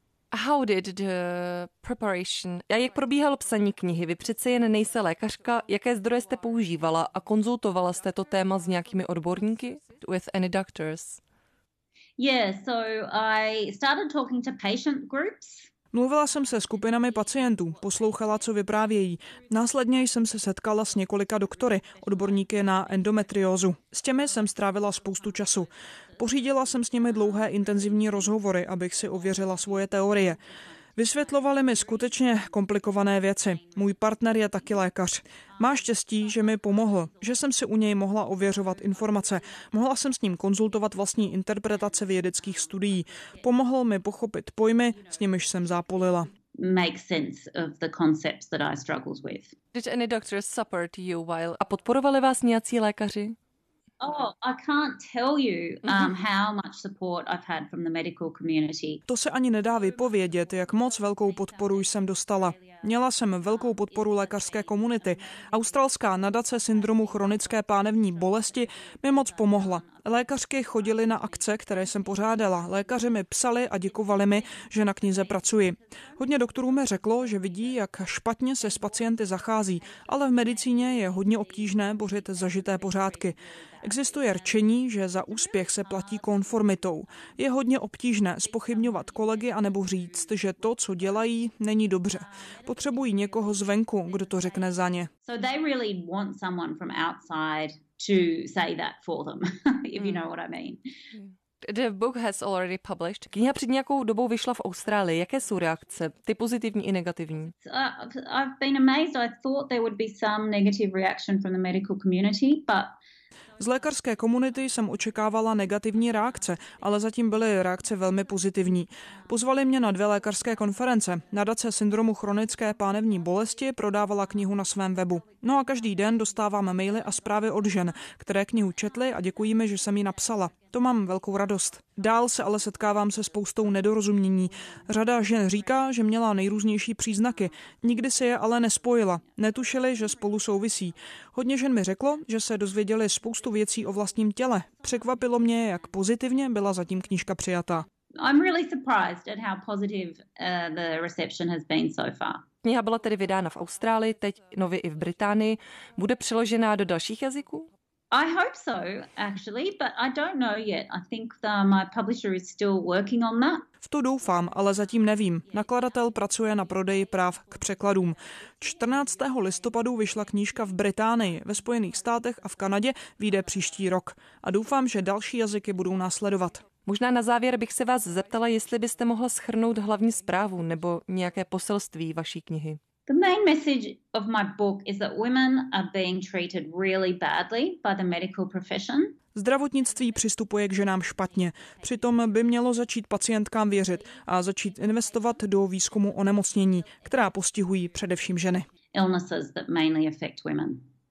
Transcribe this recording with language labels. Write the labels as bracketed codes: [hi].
[en] How did the preparation? [cs] A jak probíhalo psaní knihy? Vy přece jen nejste lékařka. Jaké zdroje jste používala a konzultovala jste to téma s nějakými odborníky? [en] With any doctors? Yeah, so I started talking to patient groups. [cs] Mluvila jsem se skupinami pacientů, poslouchala, co vyprávějí. Následně jsem se setkala s několika doktory, odborníky na endometriózu. S těmi jsem strávila spoustu času. Pořídila jsem s nimi dlouhé intenzivní rozhovory, abych si ověřila svoje teorie. Vysvětlovali mi skutečně komplikované věci. Můj partner je taky lékař. Má štěstí, že mi pomohl, že jsem si u něj mohla ověřovat informace. Mohla jsem s ním konzultovat vlastní interpretace vědeckých studií. Pomohl mi pochopit pojmy, s nimiž jsem zápolila. [en] Make sense of the concepts that I struggled with. Did any doctors support you while... [cs] A podporovali vás nějací lékaři? [en] Oh, I can't tell you how much support I've had from the medical community. [cs] To se ani nedá vypovědět, jak moc velkou podporu jsem dostala. Měla jsem velkou podporu lékařské komunity. Australská nadace syndromu chronické pánevní bolesti mi moc pomohla. Lékařky chodily na akce, které jsem pořádala. Lékaři mi psali a děkovali mi, že na knize pracuji. Hodně doktorů mi řeklo, že vidí, jak špatně se s pacienty zachází, ale v medicíně je hodně obtížné bořit zažité pořádky. Existuje rčení, že za úspěch se platí konformitou. Je hodně obtížné zpochybňovat kolegy anebo říct, že to, co dělají, není dobře. Potřebují někoho zvenku, kdo to řekne za ně. [en] So they really want someone from outside to say that for them, if you know what I mean. The book has already published. [cs] Kniha před nějakou dobou vyšla v Austrálii. Jaké jsou reakce? Ty pozitivní i negativní? [en] I've been amazed. I thought there would be some negative reaction from the medical community, but [cs] z lékařské komunity jsem očekávala negativní reakce, ale zatím byly reakce velmi pozitivní. Pozvali mě na dvě lékařské konference. Nadace syndromu chronické pánevní bolesti prodávala knihu na svém webu. No a každý den dostávám maily a zprávy od žen, které knihu četly a děkují mi, že jsem ji napsala. To mám velkou radost. Dál se ale setkávám se spoustou nedorozumění. Řada žen říká, že měla nejrůznější příznaky. Nikdy se je ale nespojila. Netušili, že spolu souvisí. Hodně žen mi řeklo, že se dozvěděli spoustu věcí o vlastním těle. Překvapilo mě, jak pozitivně byla zatím knížka přijata. I'm really surprised at how positive the reception has been so far. Kniha byla tedy vydána v Austrálii, teď nově i v Británii. Bude přeložená do dalších jazyků? [en] I hope so, actually, but I don't know yet. I think my publisher is still working on that. [cs] V to doufám, ale zatím nevím. Nakladatel pracuje na prodeji práv k překladům. 14. listopadu vyšla knížka v Británii, ve Spojených státech a v Kanadě, vyjde příští rok. A doufám, že další jazyky budou následovat. Možná na závěr bych se vás zeptala, jestli byste mohla shrnout hlavní zprávu nebo nějaké poselství vaší knihy. [en] The main message of my book is that women are being treated really badly by the medical profession. [cs] Zdravotnictví přistupuje k ženám špatně. Přitom by mělo začít pacientkám věřit a začít investovat do výzkumu onemocnění, která postihují především ženy. [en] Illnesses that mainly affect women.